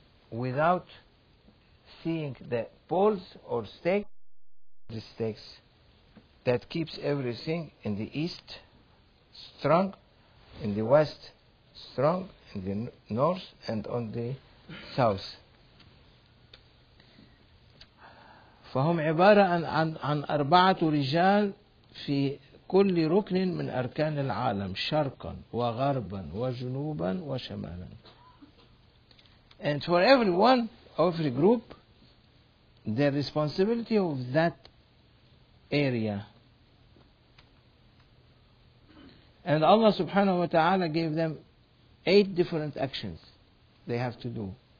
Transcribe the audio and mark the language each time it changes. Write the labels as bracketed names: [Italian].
[English] Without seeing the poles or stakes, the stakes that keeps everything in the east strong, in the west strong, in the north and on the south. [Arabic] فهم عبارة عن أربعة رجال في كل ركن من أركان العالم شرقا وغربا وجنوبا وشمالا. [English] And for everyone, every group, the responsibility of that area. And Allah subhanahu wa ta'ala gave them eight different actions they have to do.